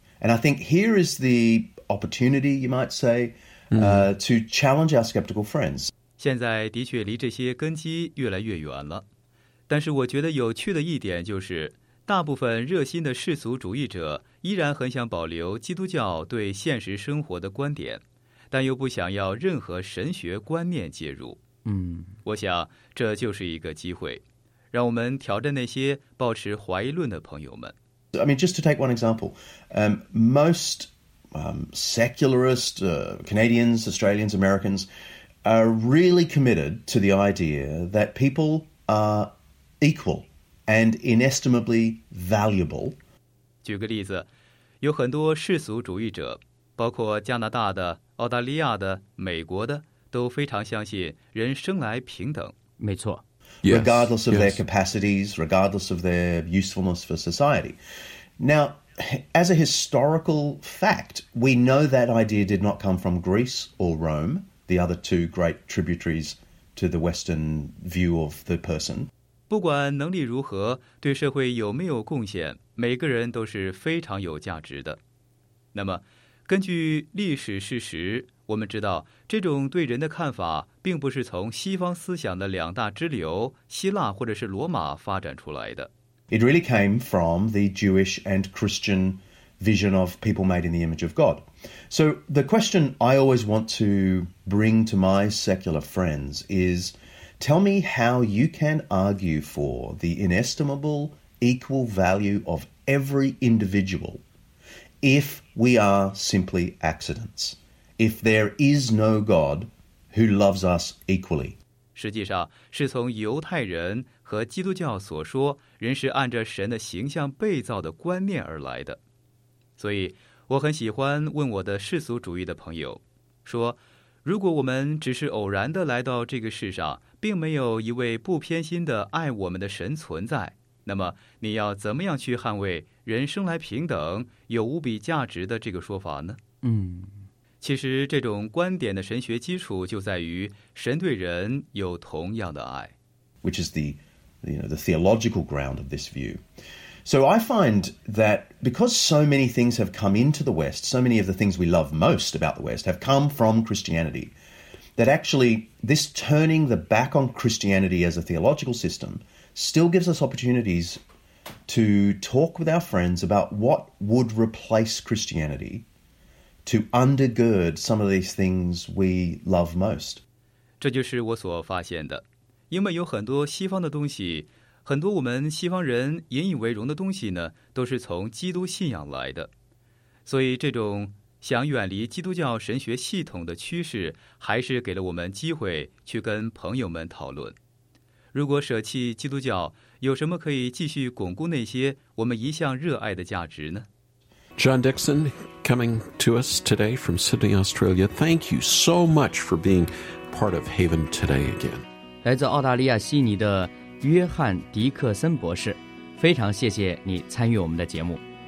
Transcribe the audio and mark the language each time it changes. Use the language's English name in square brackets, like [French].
[English] And I think here is the... opportunity, you might say, to challenge our skeptical friends. [Chinese] 现在的确离这些根基越来越远了。但是我觉得有趣的一点就是，大部分热心的世俗主义者依然很想保留基督教对现实生活的观点，但又不想要任何神学观念介入。我想这就是一个机会，让我们挑战那些抱持怀疑论的朋友们。 [English] I mean, just to take one example, most... secularist Canadians, Australians, Americans are really committed to the idea that people are equal and inestimably valuable. [Chinese] 举个例子，有很多世俗主义者，包括加拿大的、澳大利亚的、美国的，都非常相信人生来平等。没错。 [English] Yes, regardless of their capacities, regardless of their usefulness for society. Now,As a historical fact, we know that idea did not come from Greece or Rome, the other two great tributaries to the Western view of the person. [Chinese] 不管能力如何，对社会有没有贡献，每个人都是非常有价值的。那么，根据历史事实，我们知道这种对人的看法并不是从西方思想的两大支流，希腊或者是罗马发展出来的。 [English] It really came from the Jewish and Christian vision of people made in the image of God. So the question I always want to bring to my secular friends is, tell me how you can argue for the inestimable equal value of every individual if we are simply accidents, if there is no God who loves us equally. [Chinese] 实际上是从犹太人和基督教所说人是按着神的形象被造的观念而来的。所以我很喜欢问我的世俗主义的朋友说，如果我们只是偶然地来到这个世上，并没有一位不偏心的爱我们的神存在，那么你要怎么样去捍卫人生来平等有无比价值的这个说法呢？嗯，其实这种观点的神学基础就在于神对人有同样的爱。 [English] Which is the theological ground of this view. So I find that because so many things have come into the West, so many of the things we love most about the West have come from Christianity, that actually this turning the back on Christianity as a theological system still gives us opportunities to talk with our friends about what would replace Christianity to undergird some of these things we love most. [Chinese] 这就是我所发现的，因为有很多西方的东西，很多我们西方人引以为荣的东西呢，都是从基督信仰来的。所以这种想远离基督教神学系统的趋势，还是给了我们机会去跟朋友们讨论。如果舍弃基督教，有什么可以继续巩固那些我们一向热爱的价值呢？ [English] John Dixon, coming to us today from Sydney, Australia. Thank you so much for being part of Haven today again. [Chinese] 来自澳大利亚悉尼的约翰·迪克森博士，非常谢谢你参与我们的节目。